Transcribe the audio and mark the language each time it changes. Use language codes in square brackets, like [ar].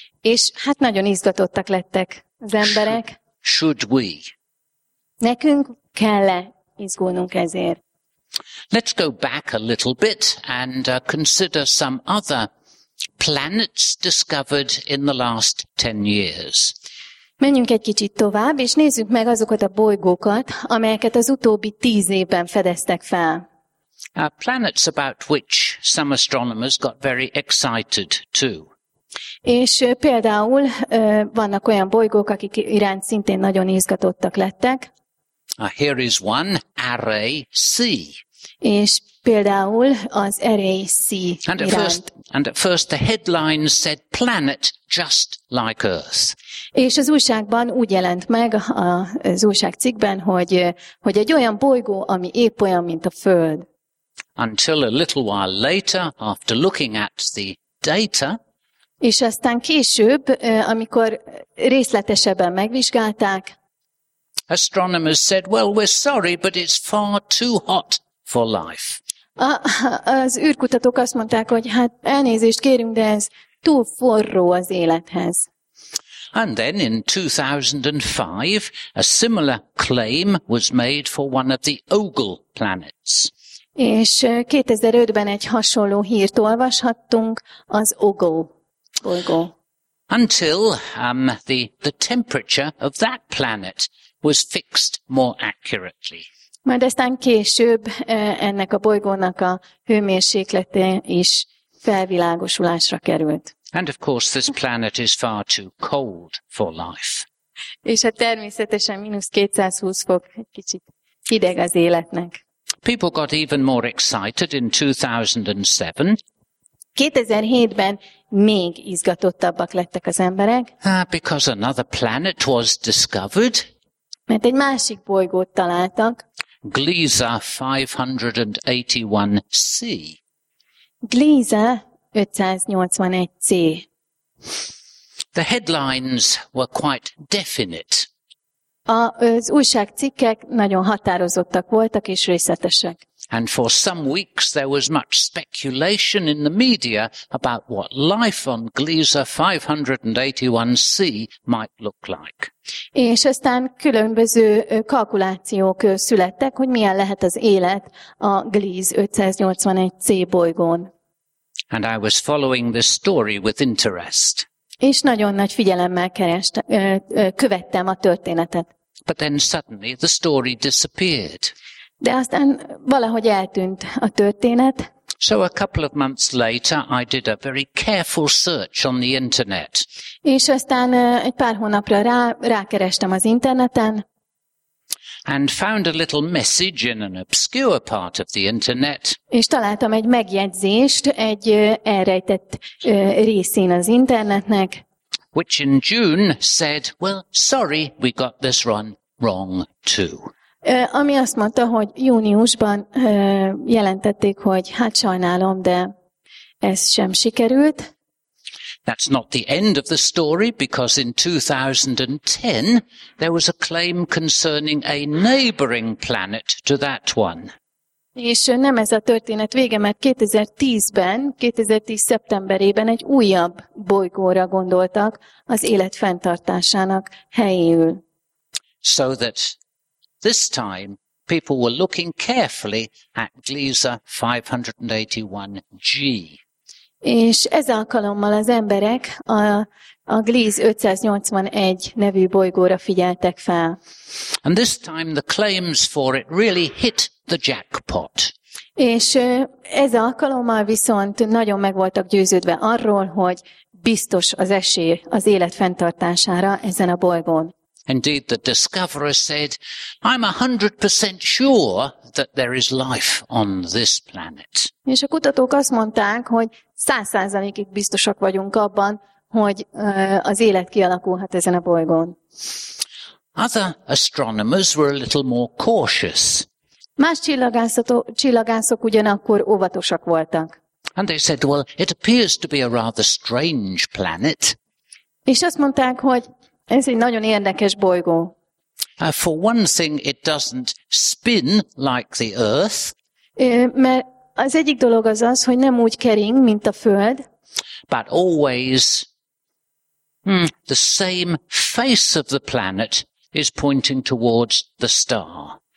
[hu] És hát nagyon izgatottak lettek az emberek. [en] Should we? [hu] Nekünk kell-e izgulnunk ezért? [en] Let's go back a little bit and consider some other planets discovered in the last 10 years. [hu] Menjünk egy kicsit tovább, és nézzük meg azokat a bolygókat, amelyeket az utóbbi 10 évben fedeztek fel. [en] Planets about which some astronomers got very excited too. [hu] És például vannak olyan bolygók, akik iránt szintén nagyon izgatottak lettek. [en] Here is one, Array C. [hu] És például az Array C irány. [en] And at first the headline said planet just like Earth. [hu] És az újságban úgy jelent meg az újságcikkben, hogy egy olyan bolygó, ami épp olyan, mint a Föld. [en] Until a little while later, after looking at the data, [hu] és aztán később, amikor részletesebben megvizsgálták, [en] astronomers said, well, we're sorry, but it's far too hot for life. [hu] Az űrkutatók azt mondták, hogy hát elnézést kérünk, de ez túl forró az élethez. [en] And then in 2005, a similar claim was made for one of the Ogle planets. [hu] És 2005-ben egy hasonló hírt olvashattunk, az Ogle bolygó. [en] Until the temperature of that planet was fixed more accurately. [hu] Majd aztán később ennek a bolygónak a hőmérséklete is felvilágosulásra került. [en] And of course this planet is far too cold for life. [hu] És hát természetesen mínusz 220 fok, egy kicsit hideg az életnek. [en] People got even more excited in 2007. [hu] 2007-ben még izgatottabbak lettek az emberek. [en] Because another planet was discovered. [hu] Mert egy másik bolygót találtak. [en] Gliese 581c. [hu] Gliese 581c. [en] The headlines were quite definite. [hu] Az újságcikkek nagyon határozottak voltak és részletesek. [en] And for some weeks there was much speculation in the media about what life on Gliese 581c might look like. [hu] És aztán különböző kalkulációk születtek, hogy milyen lehet az élet a Gliese 581c bolygón. [en] And I was following this story with interest. [hu] És nagyon nagy figyelemmel követtem a történetet. [en] But then suddenly the story disappeared. [hu] De aztán valahogy eltűnt a történet. [en] So a couple of months later, I did a very careful search on the internet. [hu] És aztán egy pár hónapra rákerestem az interneten. [en] And found a little message in an obscure part of the internet. [hu] És találtam egy megjegyzést egy elrejtett részén az internetnek. [en] Which in June said, well, sorry, we got this one wrong too. [hu] Ami azt mondta, hogy júniusban jelentették, hogy hát sajnálom, de ez sem sikerült. [en] That's not the end of the story, because in 2010 there was a claim concerning a neighboring planet to that one. [hu] És nem ez a történet vége, mert 2010 szeptemberében egy újabb bolygóra gondoltak az élet fenntartásának helyéül. [en] So that this time people were looking carefully at Gliese 581G. [hu] És ez alkalommal az emberek a Gliese 581 nevű bolygóra figyeltek fel. [en] And this time the claims for it really hit the jackpot. [hu] És ez alkalommal viszont nagyon meg voltak győződve arról, hogy biztos az esély az élet fenntartására ezen a bolygón. [en] Indeed, the discoverer said, I'm 100% sure that there is life on this planet. [hu] És a kutatók azt mondták, hogy 100%-ig biztosak vagyunk abban, hogy az élet kialakulhat ezen a bolygón. [en] Other astronomers were a little more cautious. [hu] Más csillagászok ugyanakkor óvatosak voltak. [en] And they said, well, it appears to be a rather strange planet. [hu] És azt mondták, hogy ez egy nagyon érdekes bolygó. [en] For one thing, it doesn't spin like the Earth. [hu] Mert az egyik dolog az az, hogy nem úgy kering, mint a Föld. [en] But always the same face of the planet is pointing towards the star.